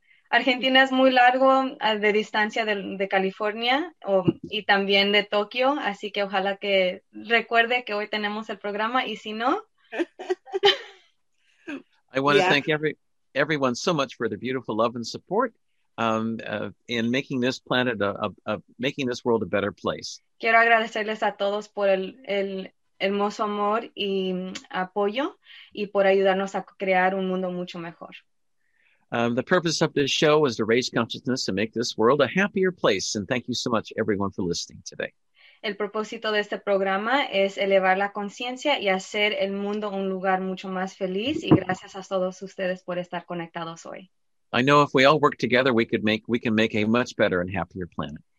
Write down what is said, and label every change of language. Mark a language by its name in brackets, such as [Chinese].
[Spanish] Argentina es muy largo de distancia de California y también de Tokio, así que ojalá que recuerde que hoy tenemos el programa y si no. [English] I want to thank everyone so much for their beautiful love and support in making this planet making this world a better place. [Spanish] Quiero agradecerles a todos por el hermoso amor y apoyo y por ayudarnos a crear un mundo mucho mejor. [English] The purpose of this show is to raise consciousness and make this world a happier place. And thank you so much, everyone, for listening today. [Spanish] El propósito de este programa es elevar la conciencia y hacer el mundo un lugar mucho más feliz. Y gracias a todos ustedes por estar conectados hoy. [English] I know if we all work together, we can make a much better and happier planet.